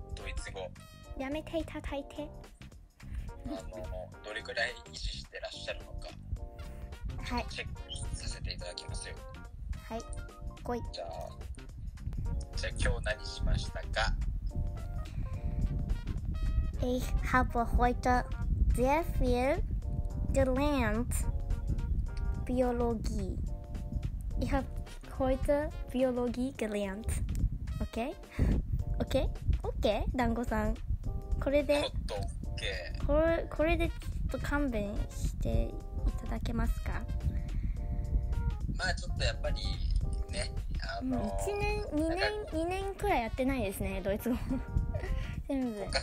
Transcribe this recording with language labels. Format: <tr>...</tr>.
<ja>ドイツ語やめていただいて、あのどれくらい維持してらっしゃるのか、はい、チェックさせていただきますよ。はい、来い。じゃあじゃあ今日何しましたか。</ja> <de>Ich habe heute sehr viel gelernt Biologie. Ich habe heute Biologie gelernt.</de> <en>Okay? Okay? Okay, Dango-san.</en> <ja>これで、これでちょっと勘弁していただけますか。まあちょっとやっぱりね、 1年、2年、2年くらいやってないですね、ドイツ語全部</ja>